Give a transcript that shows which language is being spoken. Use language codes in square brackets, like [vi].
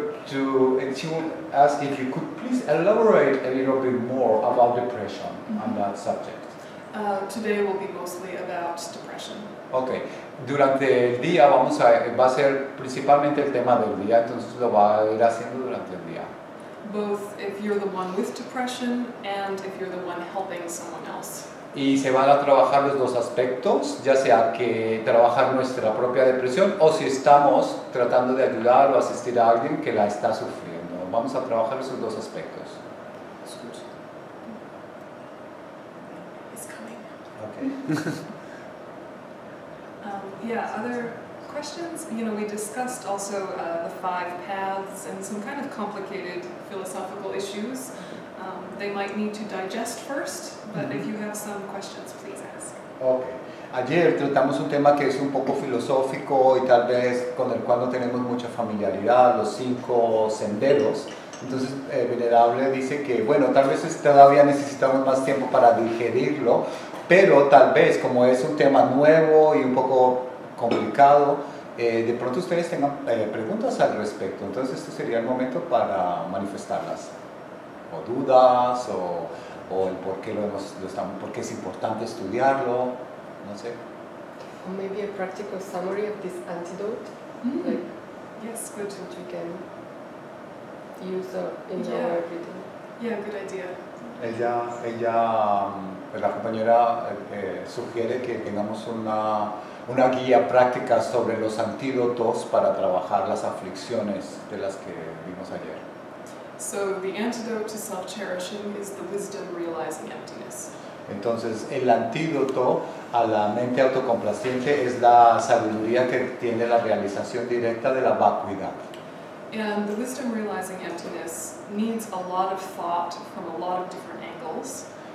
[en] She wants to ask if you could please elaborate a little bit more about depression on that subject. Today will be mostly about depression. Okay. [es] Durante el día va a ser principalmente el tema del día, entonces lo va a ir haciendo durante el día. [en] Both if you're the one with depression and if you're the one helping someone else. [es] Y se van a trabajar los dos aspectos, ya sea que trabajar nuestra propia depresión o si estamos tratando de ayudar o asistir a alguien que la está sufriendo. Vamos a trabajar esos dos aspectos. [en] It's good. It's coming. Okay. other questions? You know, we discussed also the five paths and some kind of complicated philosophical issues. They might need to digest first, but if you have some questions, please ask. Okay. [es] Ayer tratamos un tema que es un poco filosófico y tal vez con el cual no tenemos mucha familiaridad, los cinco senderos. Entonces, Venerable dice que, bueno, tal vez todavía necesitamos más tiempo para digerirlo, pero tal vez, como es un tema nuevo y un poco complicado, de pronto ustedes tengan preguntas al respecto. Entonces, este sería el momento para manifestarlas. O dudas, o el por qué porque es importante estudiarlo, no sé. [en] Or maybe a practical summary of this antidote. Mm-hmm. Like, yes, good. Which we can use in our everyday. Yeah, good idea. [es] La compañera sugiere que tengamos una guía práctica sobre los antídotos para trabajar las aflicciones de las que vimos ayer. [en] So the antidote to self-cherishing is the wisdom realizing emptiness. [es] Entonces, el antídoto a la mente autocomplaciente es la sabiduría que tiene la realización directa de la vacuidad. [en] And the wisdom realizing emptiness needs a lot of thought from a lot of different angles.